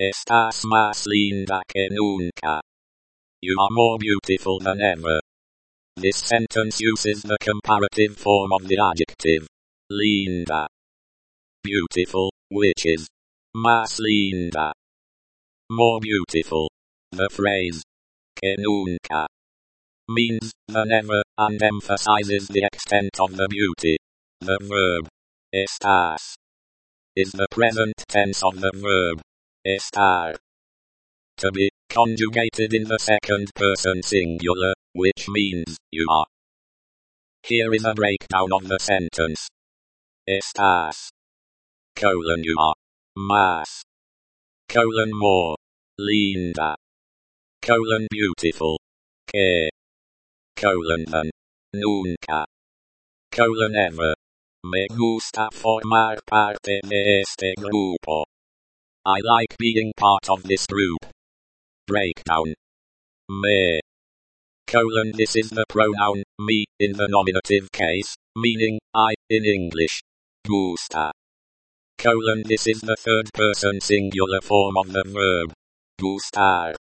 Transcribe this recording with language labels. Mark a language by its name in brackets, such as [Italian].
[Spanish] Estás más linda que nunca. [English] You are more beautiful than ever. This sentence uses the comparative form of the adjective linda. Beautiful, which is [Spanish] más linda. [English] More beautiful. The phrase [Spanish] que nunca [English] means than ever and emphasizes the extent of the beauty. The verb estás is the present tense of the verb estar to be conjugated in the second person singular, which means you are. Here is a breakdown of the sentence. Estás colon you are más colon more linda colon beautiful que colon than nunca colon ever. [Spanish] Me gusta formar parte de este grupo. [English] I like being part of this group. Breakdown. Me. Colon this is the pronoun, me, in the nominative case, meaning, I, in English. Gusta. Colon this is the third person singular form of the verb. Gustar.